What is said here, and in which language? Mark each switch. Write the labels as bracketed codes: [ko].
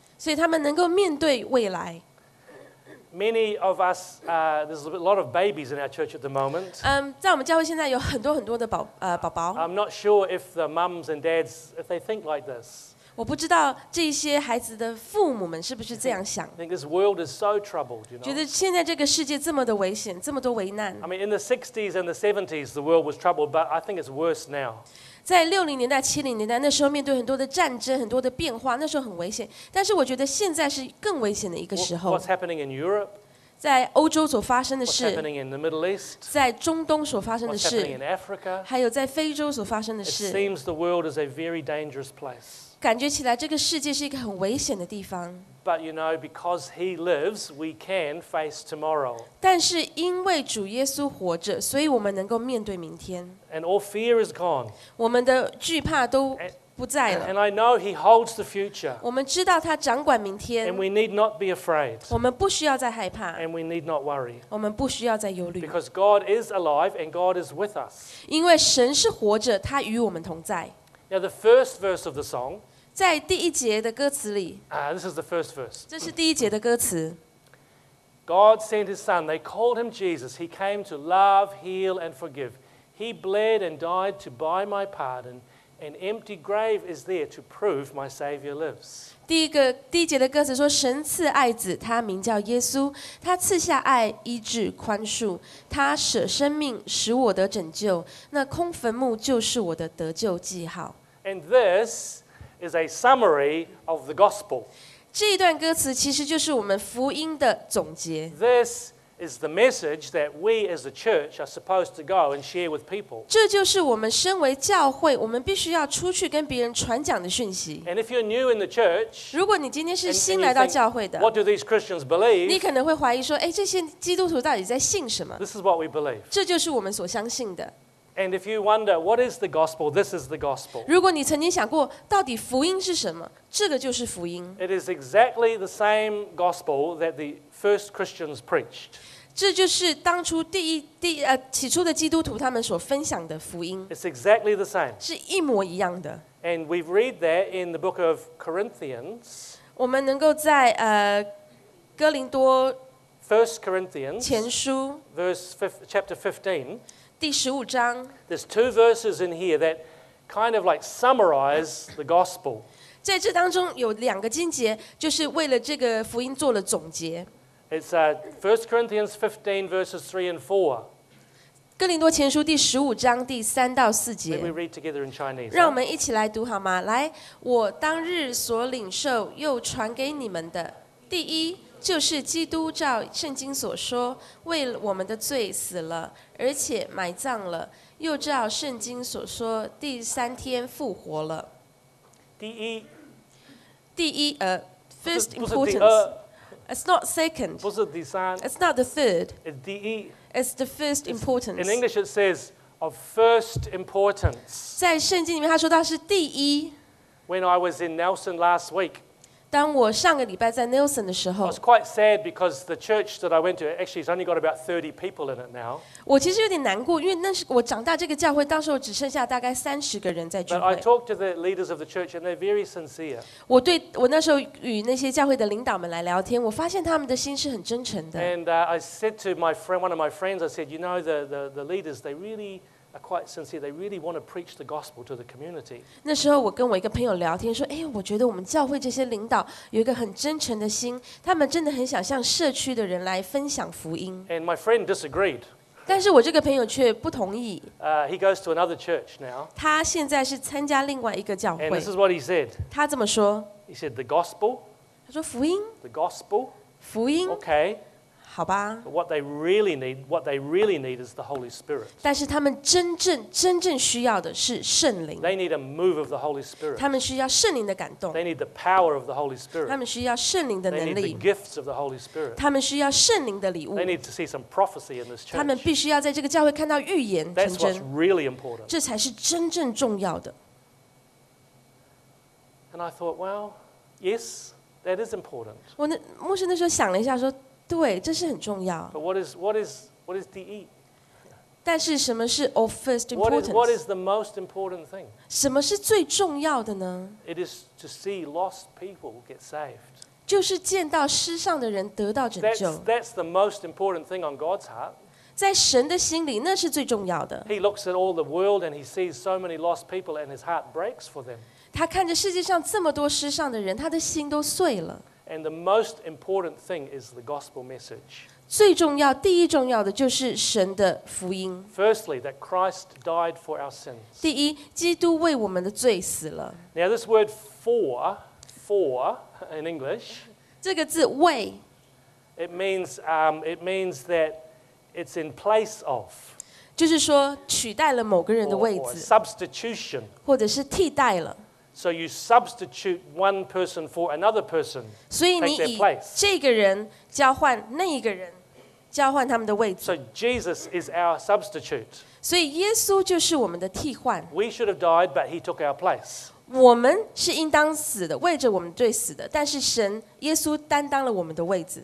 [zh] 所以他们能够面对未来。 [en] Many of us, there's a lot of babies in our church at the moment. [zh] 在我们教会现在有很多很多的宝宝。 [en] I'm not sure if the mums and dads, if they think like this. [zh] 我不知道这些孩子的父母们是不是这样想。 [en] I think this world is so troubled, you know? [zh] 觉得现在这个世界这么的危险，这么多危难。 [en] I mean, in the 60s and the 70s, the world was troubled, but I think it's worse now. [zh] 在60年代、70年代，那时候面对很多的战争、很多的变化，那时候很危险。但是我觉得现在是更危险的一个时候。 [en] What's happening in Europe? [zh] 在欧洲所发生的事 [en] What's happening in the Middle East? [zh] 在中东所发生的事 [en] What's happening in Africa? [zh] 还有在非洲所发生的事 [en] It seems the world is a very dangerous place. [zh] 感觉起来这个世界是一个很危险的地方 [en] But you know, because he lives, we can face tomorrow. [zh] 但是因为主耶稣活着，所以我们能够面对明天 [en] And all fear is gone. [zh] 我们的惧怕都不在了 [en] And I know he holds the future. [zh] 我们知道他掌管明天 [en] And we need not be afraid. [zh] 我们不需要再害怕 [en] And we need not worry. [zh] 我们不需要再忧虑 [en] Because God is alive and God is with us. [zh] 因为神是活着，他与我们同在 [en] Now the first verse of the song. [zh] 在第一节的歌词里 [en] This is the first verse. [zh] 这是第一节的歌词 [en] God sent his son. They called him Jesus. He came to love, heal and forgive. He bled and died to buy my pardon. An empty grave is there to prove my Savior lives. [zh] 第一节的歌词说，神赐爱子，他名叫耶稣，他赐下爱、医治、宽恕，他舍生命使我得拯救。那空坟墓就是我的得救记号。 [en] And this is a summary of the gospel. [zh] 这一段歌词其实就是我们福音的总结。 [en] This. Is the message that we as a church are supposed to go and share with people? [zh] 这就是我们身为教会，我们必须要出去跟别人传讲的讯息。 [en] And if you're new in the church, [zh] 如果你今天是新来到教会的 [en] what do these Christians believe? [zh] 你可能会怀疑说，哎，这些基督徒到底在信什么？ [en] This is what we believe. [zh] 这就是我们所相信的。 [en] And if you wonder what is the gospel, this is the gospel. [zh] 如果你曾经想过到底福音是什么，这个就是福音。 [en] It is exactly the same gospel that the first Christians preached. [zh] 这就是当初起初的基督徒他们所分享的福音。 [en] It's exactly the same. [zh] 是一模一样的。 [en] And we read that in the book of Corinthians. [zh] 我们能够在哥林多 [en] First Corinthians [zh] 前书 [en] chapter 15. [zh] 第十五章 [en] There's two verses in here that kind of like summarize the gospel. [zh] 在这当中有两个经节，就是为了这个福音做了总结。 [en] It's 1 Corinthians 15 verses 3 and 4. [zh] 哥林多前书第十五章第三到四节。 [en] Let me read together in Chinese. [zh] 让我们一起来读好吗？来，我当日所领受又传给你们的，第一。就是基督照圣经所说，为我们的罪死了，而且埋葬了，又照圣经所说，第三天复活了。第一。第一， [en] first importance. It's not second. [zh] 不是第三。 [en] It's not the third. It's [zh] 第一。 [en] It's the first importance. In English it says, of first importance. [zh] 在圣经里面，他说他是第一。 [en] When I was in Nelson last week, [zh] 当我上个礼拜在 Nelson 的时候 [en] ，I was quite sad because the church that I went to actually has only got about 30 people in it now. [zh] 我其实有点难过，因为那是我长大这个教会，当时我只剩下大概30个人在聚会。 [en] But I talked to the leaders of the church, and they're very sincere. [zh] 我对我那时候与那些教会的领导们来聊天，我发现他们的心是很真诚的。 [en] And I said to my friend, one of my friends, I said, you know, the leaders, they really. Are quite sincere. They really want to preach the gospel to the community. [zh] 那时候我跟我一个朋友聊天，说：“哎，我觉得我们教会这些领导有一个很真诚的心，他们真的很想向社区的人来分享福音。” [en] And my friend disagreed. [zh] 但是我这个朋友却不同意。 [en] He goes to another church now. [zh] 他现在是参加另外一个教会。 [en] And this is what he said. [zh] 他这么说。 [en] He said the gospel. [zh] 他说福音。 [en] The gospel. [zh] 福音。 [en] Okay. [zh] 好吧。 [en] But what they really need, what they really need is the Holy Spirit. [zh] 但是他们真正需要的是圣灵。 [en] They need a move of the Holy Spirit. [zh] 他们需要圣灵的感动。 [en] They need the power of the Holy Spirit. [zh] 他们需要圣灵的能力。 [en] They need the gifts of the Holy Spirit. [zh] 他们需要圣灵的礼物。 [en] They need to see some prophecy in this church. [zh] 他们必须要在这个教会看到预言成真。 [en] That's what's really important. [zh] 这才是真正重要的。 [en] And I thought, well, yes, that is important. [zh] 我那牧师那时候想了一下，说。对，这是很重要。 [en] But what is the E? [zh] 但是什么是 [en] of first importance? What is the most important thing? [zh] 什么是最重要的呢？ [en] It is to see lost people get saved. [zh] 就是见到失丧的人得到拯救。 [en] That's the most important thing on God's heart. [zh] 在神的心里，那是最重要的。 [en] He looks at all the world and he sees so many lost people and his heart breaks for them. [zh] 他看着世界上这么多失丧的人，他的心都碎了。 [en] And the most important thing is the gospel message. [zh] 最重要，第一重要的就是神的福音。 [en] Firstly, that Christ died for our sins. [zh] 第一，基督为我们的罪死了。 [en] Now this word for in English. [zh] 这个字为。 [en] It means that it's in place of. [zh] 就是说取代了某个人的位置。 [en] Or substitution. [zh] 或者是替代了。 [en] So you substitute one person for another person. [zh] 所以你以这个人交换那一个人，交换他们的位置。 [en] So Jesus is our substitute. [zh] 所以耶稣就是我们的替换。 [en] We should have died, but he took our place. [zh] 我们是应当死的，为着我们罪死的。但是神耶稣担当了我们的位置。